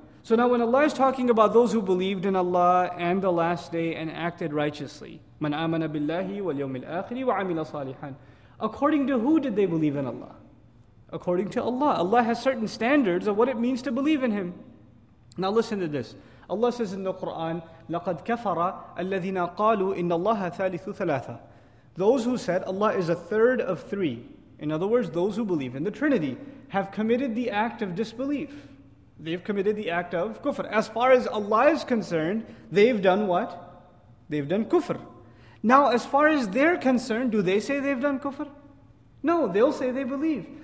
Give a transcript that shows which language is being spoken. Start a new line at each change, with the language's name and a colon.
English: So now when Allah is talking about those who believed in Allah and the last day and acted righteously,
Arabic: مَنْ آمَنَ بِاللَّهِ وَالْيَوْمِ الْآخِرِ وَعَمِلَ صَالِحًا,
English: according to who did they believe in Allah? According to Allah. Allah has certain standards of what it means to believe in Him. Now listen to this. Allah says in the Quran,
Arabic: لَقَدْ كَفَرَ الَّذِينَ قَالُوا إِنَّ اللَّهَ ثَالِثُ ثَلَاثَ.
English: Those who said Allah is a third of three. In other words, those who believe in the Trinity have committed the act of disbelief. They've committed the act of kufr. As far as Allah is concerned, they've done what? They've done kufr. Now as far as they're concerned, do they say they've done kufr? No, they'll say they believe.